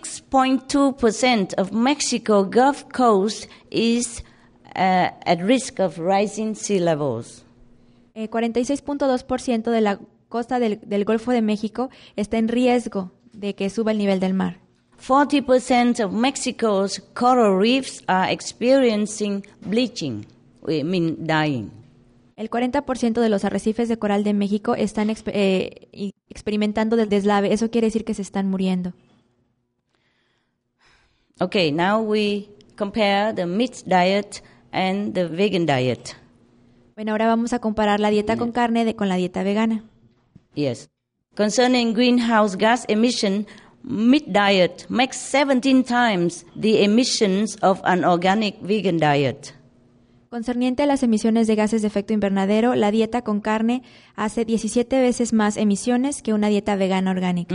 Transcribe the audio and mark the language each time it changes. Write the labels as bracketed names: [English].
[English] 46.2% of Mexico Gulf Coast is at risk of rising sea levels. [Spanish] 46.2% de la costa del Golfo de México está en riesgo de que suba el nivel del mar. [English] 40% of Mexico's coral reefs are experiencing bleaching, we mean dying. [Spanish] El 40% de los arrecifes de coral de México están experimentando el deslave. Eso quiere decir que se están muriendo. [English] Okay, now we compare the meat diet and the vegan diet. [Spanish] Bueno, ahora vamos a comparar la dieta con carne con la dieta vegana. [English] Yes. Concerning greenhouse gas emission, meat diet makes 17 times the emissions of an organic vegan diet. [Spanish] Concerniente a las emisiones de gases de efecto invernadero, la dieta con carne hace 17 veces más emisiones que una dieta vegana orgánica.